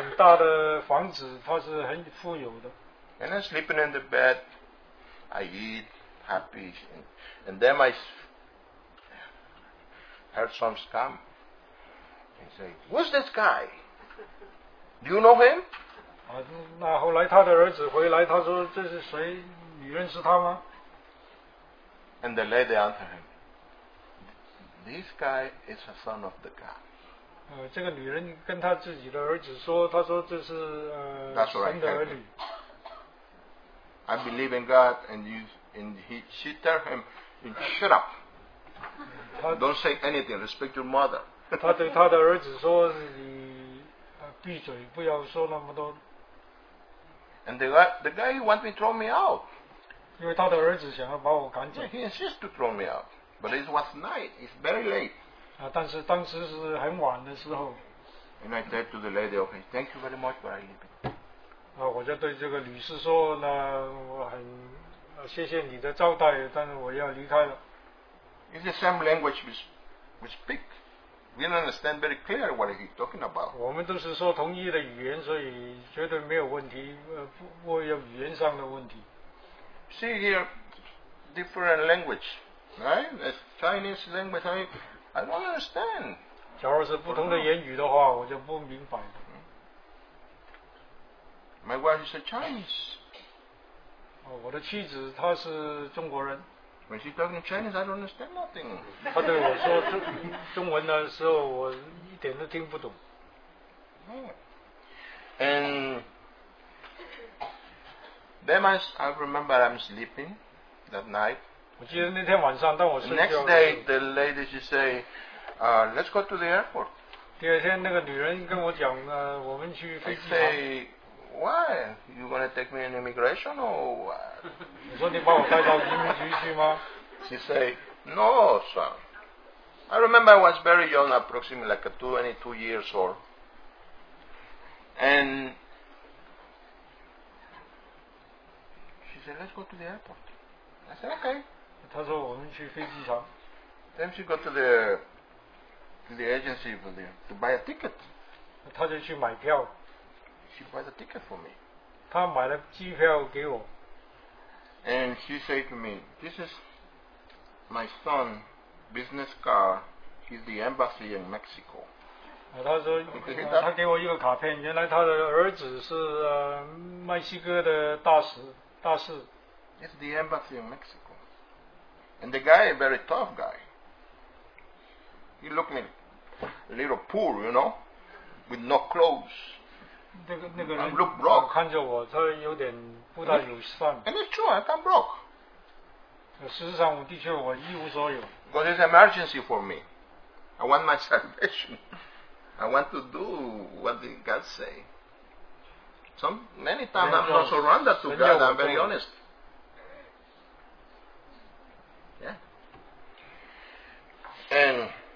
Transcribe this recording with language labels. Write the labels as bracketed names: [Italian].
[Chinese] 我记得那个女士，她有一个很大的房子，她是很富有的。 [English] And I'm sleeping in the bed, I eat happy, and then I heard some scum. And say, "Who's this guy? Do you know him?" [Chinese] 那后来她的儿子回来，她说：“这是谁？你认识他吗？” [English] And the lady answered him. This guy is a son of the God. [Chinese] 这个女人跟她自己的儿子说，她说这是神的儿女。 [English] I believe in God, and you, and he, she tell him, shut up. Don't say anything. Respect your mother. [Chinese] 她对她的儿子说，你闭嘴，不要说那么多。 [English] And the guy wants to throw me out. [Chinese] 因为她的儿子想要把我赶走。 [English] He insists to throw me out. But it was night. It's very late. [Chinese] 啊，但是当时是很晚的时候。 [English] And I said to the lady, okay, thank you very much, but I leave. [Chinese] 啊，我就对这个女士说呢，我很谢谢你的招待，但是我要离开了。 [English] It's the same language we speak. We don't understand very clear what he's talking about. [Chinese] 我们都是说同一的语言，所以绝对没有问题，不有语言上的问题。 [English] See here, different language, right? It's Chinese language, I don't understand. [Chinese] 假如是不同的言语的话，我就不明白。 [English] My wife is a Chinese. [Chinese] 哦，我的妻子她是中国人。 [English] When she's talking Chinese, I don't understand nothing. [Chinese] 他对我说中文的时候，我一点都听不懂。 [English] And then I remember I'm sleeping that night. [Chinese] 我记得那天晚上，当我睡觉。 [English] Next day, the lady she say, let's go to the airport. [Chinese] 第二天，那个女人跟我讲，我们去飞机场。 [English] Why? You gonna take me in immigration or what? [Chinese] 你说你把我带到移民局去吗？ [English] She said, no, son. I remember I was very young, approximately like 22 years old. And she said, let's go to the airport. I said, okay. [Chinese] 她说我们去飞机场。 [English] Then she got to the agency over there to buy a ticket. [Chinese] 她就去买票。 [English] She bought a ticket for me. [Chinese] 她买了机票给我。 [English] And she said to me, this is my son's business card. He's the embassy in Mexico. [Chinese] 她说她给我一个卡片，原来她的儿子是墨西哥的大使。 [English] It's the embassy in Mexico. And the guy, a very tough guy. He looked me a little poor, you know, with no clothes. [Chinese] 那个人看着我，他有点不大友善。 [English] And it's true, I'm broke. [Chinese] 事实上，的确我一无所有。 [English] But it's an emergency for me. I want my salvation. I want to do what did God say. Many times I'm not surrendered to God, I'm very honest. Yeah. And...